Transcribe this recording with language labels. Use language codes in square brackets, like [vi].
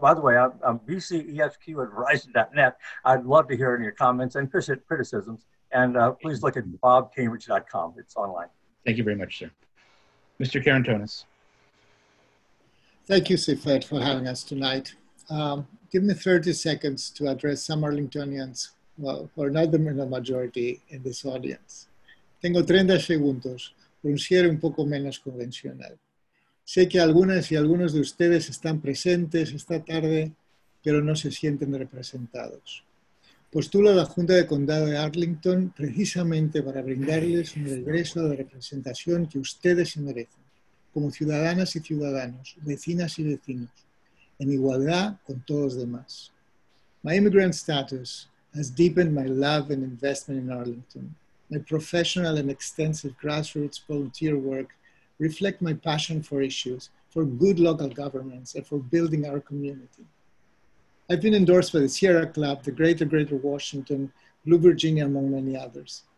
[en] By the way, I'm BCEFQ at Verizon.net. I'd love to hear any of your comments and criticisms, and please look at bobcambridge.com. It's online. Thank you very much, sir. Mr. Karantonis. Thank you, Sifet, for having us tonight. Give me 30 seconds to address some Arlingtonians who are not the majority in this audience. [es] Tengo 30 segundos por un cierre un poco menos convencional. Sé que algunas y algunos de ustedes están presentes esta tarde, pero no se sienten representados. Postulo a la Junta de Condado de Arlington precisamente para brindarles un regreso de representación que ustedes se merecen, como ciudadanas y ciudadanos, vecinas y vecinos, en igualdad con todos los demás. [en] My immigrant status has deepened my love and investment in Arlington. My professional and extensive grassroots volunteer work reflect my passion for issues, for good local governments, and for building our community. I've been endorsed by the Sierra Club, the Greater Greater Washington, Blue Virginia, among many others.